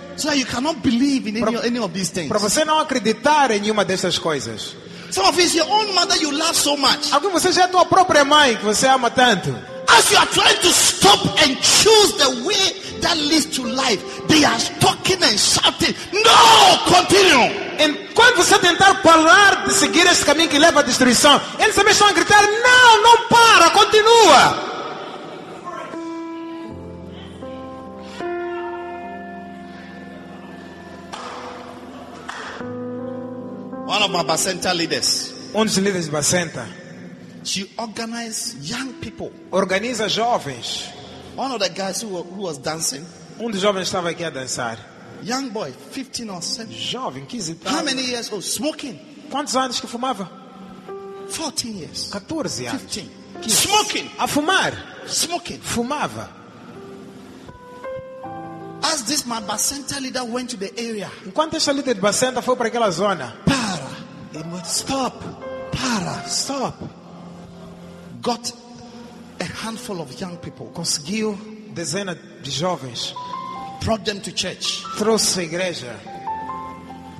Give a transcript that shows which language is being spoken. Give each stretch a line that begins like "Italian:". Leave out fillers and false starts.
English: So you cannot believe in any of these things.
Portuguese: Para você não acreditar em nenhuma dessas coisas.
English: Some of you, your own mother you love so much.
Portuguese: Alguns de vocês é a tua própria mãe que você ama tanto.
English: As you are trying to stop and choose the way that leads to life, they are talking and shouting, no, continue.
Portuguese: Enquanto você tentar parar de seguir esse caminho que leva à destruição, eles também estão a gritar, não, não para, continua.
English: One of my Bacenta leaders.
Portuguese: Um dos líderes de Bacenta.
English: She organized young people.
Portuguese: Organiza jovens.
English: One of the guys who was dancing.
Portuguese: Um dos jovens estava aqui a dançar.
English: Young boy, 15 or 17.
Portuguese: Jovem, 15.
English: How many years old? Smoking.
Portuguese: Quantos anos que fumava?
English: 14 years.
Portuguese: 14 anos.
English: 15. 15. Smoking.
Portuguese: A fumar.
English: Smoking.
Portuguese: Fumava.
English: I as this Mabasenta leader went to the area,
Portuguese: enquanto esta líder de Basenta foi para aquela zona, para,
English: he must stop,
Portuguese: para,
English: stop, got a handful of young people,
Portuguese: conseguiu dezena de jovens,
English: brought them to church,
Portuguese: trouxe a igreja.